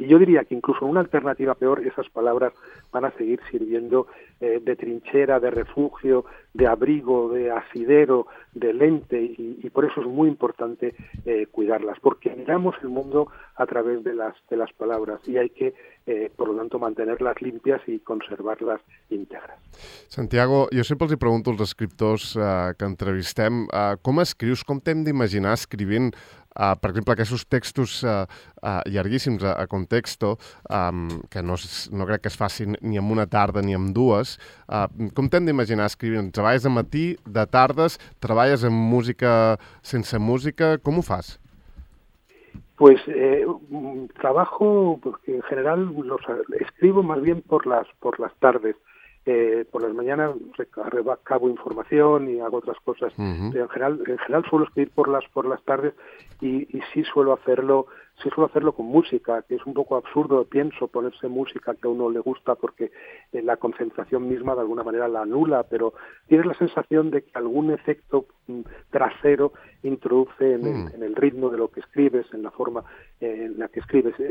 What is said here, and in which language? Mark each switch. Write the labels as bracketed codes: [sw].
[es] Y yo diría que incluso una alternativa peor, esas palabras van a seguir sirviendo de trinchera, de refugio, de abrigo, de asidero, de lente, y por eso es muy importante cuidarlas, porque miramos el mundo a través de las palabras y hay que, por lo tanto, mantenerlas limpias y conservarlas íntegras. [ca] Santiago, jo sempre els pregunto als escriptors que entrevistem com escrius, com t'hem d'imaginar escrivint, per exemple, aquests textos llarguíssims a Contexto, que no crec que es facin ni en una tarda ni en dues. Com t'hem d'imaginar escrivint? Treballes de matí, de tardes, treballes amb música, sense música, com ho fas? [es] Pues trabajo, porque en general escribo más bien por las tardes. Por las mañanas recabo información y hago otras cosas. Uh-huh. Pero en general suelo escribir por las tardes y sí suelo hacerlo con música, que es un poco absurdo, pienso, ponerse música que a uno le gusta porque la concentración misma de alguna manera la anula, pero tienes la sensación de que algún efecto trasero introduce en el ritmo de lo que escribes, en la forma en la que escribes.